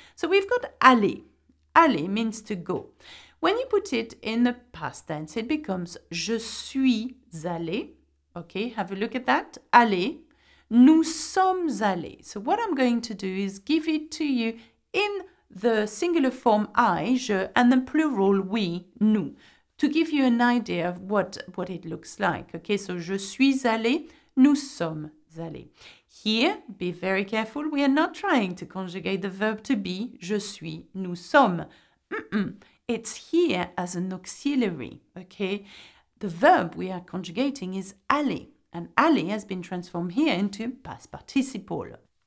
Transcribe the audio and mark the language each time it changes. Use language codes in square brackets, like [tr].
[en] So, we've got aller. Aller means to go. When you put it in the past tense, it becomes [fr] je suis allé. [en] Okay, have a look at that. Aller. [fr] Nous sommes allés. [en] So what I'm going to do is give it to you in the singular form I, je, and the plural we, nous, to give you an idea of what it looks like. Okay, so [fr] je suis allé, nous sommes allés. [en] Here, be very careful, we are not trying to conjugate the verb to be, [fr] je suis, nous sommes. [en] Mm-mm. It's here as an auxiliary, okay? The verb we are conjugating is aller, and aller has been transformed here into past participle.